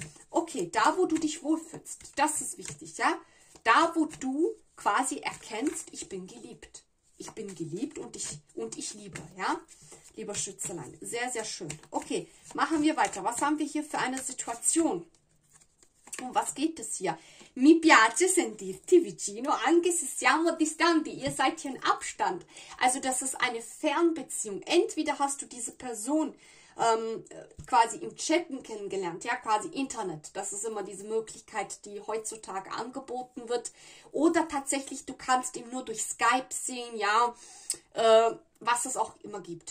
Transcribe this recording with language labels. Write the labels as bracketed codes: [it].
[de] Okay, da wo du dich wohlfühlst, das ist wichtig, ja? Da wo du quasi erkennst, ich bin geliebt. Ich bin geliebt und ich liebe, ja? Lieber Schützelein, sehr, sehr schön. Okay, machen wir weiter. Was haben wir hier für eine Situation? Um was geht es hier? [it] Mi piace sentirti vicino, anche se siamo distanti. [de] Ihr seid hier in Abstand. Also, das ist eine Fernbeziehung. Entweder hast du diese Person quasi im Chatten kennengelernt, ja, quasi Internet. Das ist immer diese Möglichkeit, die heutzutage angeboten wird. Oder tatsächlich, du kannst ihn nur durch Skype sehen, ja, was es auch immer gibt.